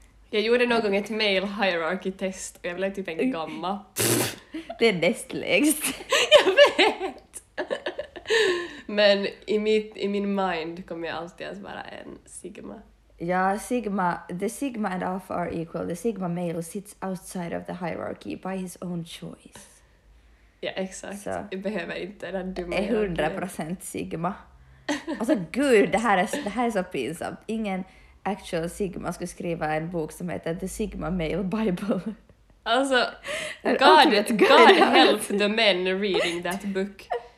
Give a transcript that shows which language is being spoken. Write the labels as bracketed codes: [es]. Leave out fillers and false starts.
[sv] Jag gjorde någon gång ett male hierarchy-test och jag blev typ en gamma. Det är näst lägst. Jag vet! Men i min mind kommer jag alltid att vara en sigma. [en] Ja, sigma, the sigma and alpha are equal. The sigma male sits outside of the hierarchy by his own choice. [sv] Ja, exakt. Så. Jag behöver inte den dumma. 100% sigma. Alltså, gud, det här är så pinsamt. Ingen actual sigma skulle skriva en bok som heter The Sigma Male Bible. [en] Alltså, God help the men reading that book.